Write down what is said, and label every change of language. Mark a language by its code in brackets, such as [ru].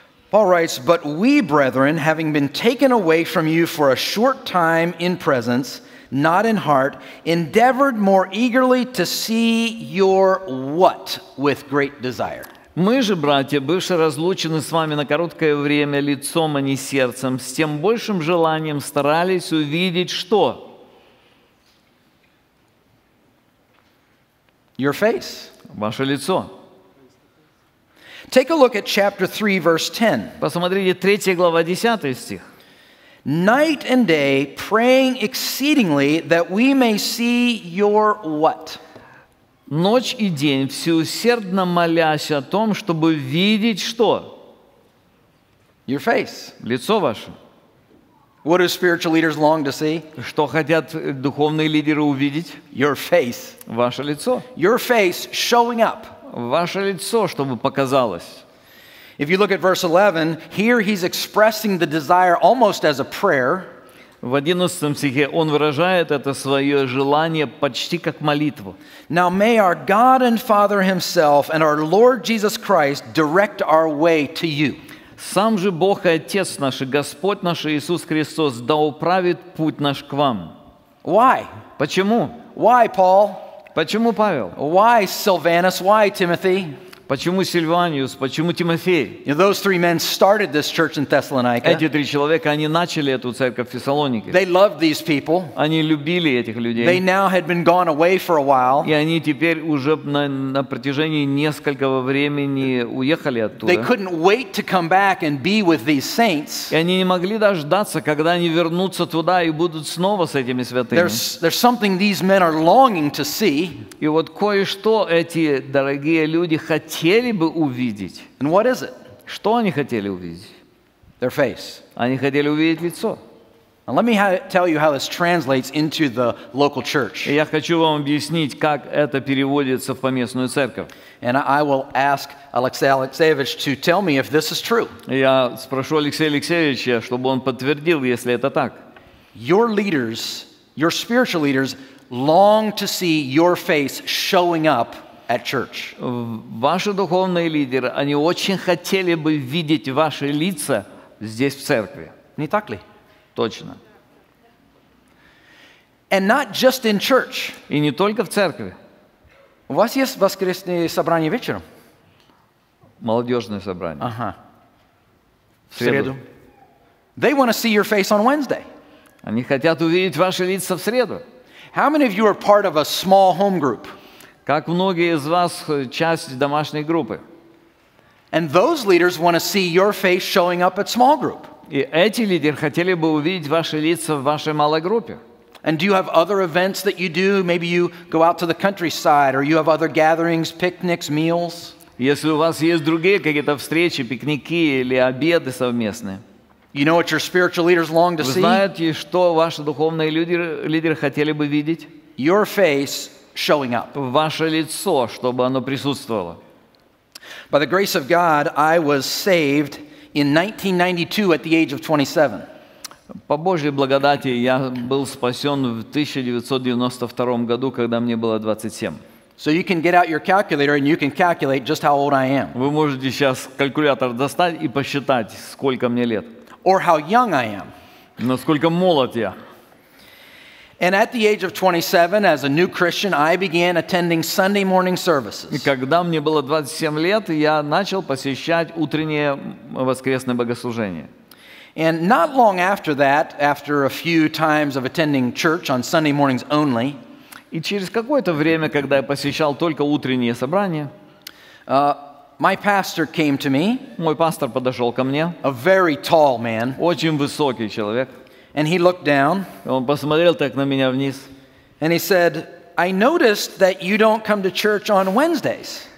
[en] Paul writes, "But we, brethren, having been taken away from you for a short time in presence, not in heart, endeavored more eagerly to see your what with great desire." [ru] Мы же, братья, бывшие разлучены с вами на короткое время лицом, а не сердцем, с тем большим желанием старались увидеть что? [en] Your face. [ru] Ваше лицо. [en] Take a look at chapter 3, verse 10. [ru] Посмотрите, 3 глава, 10 стих. [en] Night and day, praying exceedingly that we may see your what? [ru] Ночь и день всеусердно молясь о том, чтобы видеть что? [en] Your face. [ru] Лицо ваше. [en] What do spiritual leaders long to see? [ru] Что хотят духовные лидеры увидеть? [en] Your face. [ru] Ваше лицо. [en] Your face showing up. [ru] Ваше лицо, чтобы показалось. [en] If you look at verse 11, here he's expressing the desire almost as a prayer. [ru] В 11 стихе он выражает это свое желание почти как молитву. [en] Now may our God and Father himself and our Lord Jesus Christ direct our way to you. [ru] Сам же Бог и Отец наш, и Господь наш Иисус Христос да управит путь наш к вам. [en] Why? [ru] Почему? [en] Why, Paul? [ru] Почему, Павел? [en] Why, Silvanus? Why, Timothy? [ru] Почему Сильваниус? Почему Тимофей? [en] You know, those three men started this church in Thessalonica. [ru] Эти три человека, они начали эту церковь в Фессалонике. [en] They loved these people. [ru] Они любили этих людей. [en] They now had been gone away for a while. [ru] И они теперь уже на протяжении нескольких времени уехали оттуда. [en] They couldn't wait to come back and be with these saints. [ru] И они не могли дождаться, когда они вернутся туда и будут снова с этими святыми. [en] There's something these men are longing to see. [ru] И вот кое-что эти дорогие люди хотели бы увидеть. [en] And what is it? [ru] Что они хотели увидеть? [en] Their face. [ru] Они хотели увидеть лицо. [en] Now let me tell you how this translates into the local church. [ru] Я хочу вам объяснить, как это переводится в поместную церковь. [en] And I will ask Alexey Alexeyevich to tell me if this is true. [ru] Я спрошу Алексея Алексеевича, чтобы он подтвердил, если это так. [en] Your leaders, your spiritual leaders, long to see your face showing up at church. [ru] Ваши духовные лидеры, они очень хотели бы видеть ваши лица здесь в церкви. Не так ли? Точно. And not just in church. И не только в церкви. У вас есть воскресное собрание вечером? Молодежное собрание. Ага. В среду. [en] They want to see your face on Wednesday. [ru] Они хотят увидеть ваши лица в среду. [en] How many of you are part of a small home group? [ru] Как многие из вас часть домашней группы? [en] And those leaders want to see your face showing up at small group. [ru] И эти лидеры хотели бы увидеть ваши лица в вашей малой группе. [en] And do you have other events that you do? Maybe you go out to the countryside, or you have other gatherings, picnics, meals? [ru] Если у вас есть другие какие-то встречи, пикники или обеды совместные. [en] You know what your spiritual leaders long to see? [ru] Вы знаете, что ваши духовные лидеры хотели бы видеть? [en] Your face showing up. [ru] Ваше лицо, чтобы оно присутствовало. [en] By the grace of God, I was saved in 1992 at the age of 27. [ru] По Божьей благодати я был спасен в 1992 году, когда мне было 27. [en] So you can get out your calculator and you can calculate just how old I am. [ru] Вы можете сейчас калькулятор достать и посчитать, сколько мне лет. [en] Or how young I am. [ru] Насколько молод я. [en] And at the age of 27, as a new Christian, I began attending Sunday morning services. [ru] И когда мне было 27 лет, я начал посещать утреннее воскресное богослужение. [en] And not long after that, after a few times of attending church on Sunday mornings only, [ru] и через какое-то время, когда я посещал только утреннее собрание, [en] My pastor came to me. [ru] Мой пастор подошел ко мне. [en] A very tall man. [ru] Очень высокий человек. [en] And he looked down. [ru] Он посмотрел так на меня вниз. [en] And he said, "I noticed that you don't come to church on Wednesdays."